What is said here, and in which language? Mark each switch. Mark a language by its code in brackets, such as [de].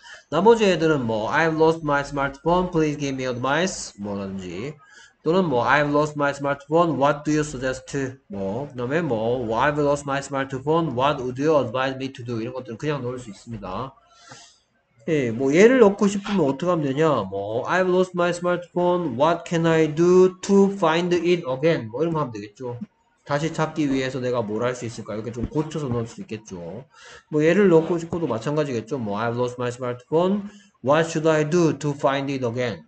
[ko] 나머지 애들은 뭐 [en] I've lost my smartphone. Please give me advice. [ko] 뭐라든지 또는 뭐 [en] I've lost my smartphone. What do you suggest? [ko] 뭐 그다음에 뭐 [en] I've lost my smartphone. What would you advise me to do? [ko] 이런 것들은 그냥 넣을 수 있습니다. 예, 뭐 얘를 넣고 싶으면 어떻게 하면 되냐? [en] 뭐 I've lost my smartphone. What can I do to find it again? [ko] 뭐 이런 거 하면 되겠죠. 다시 찾기 위해서 내가 뭘 할 수 있을까? 이렇게 좀 고쳐서 넣을 수 있겠죠. 뭐 얘를 넣고 싶어도 마찬가지겠죠. [en] 뭐 I've lost my smartphone. What should I do to find it again?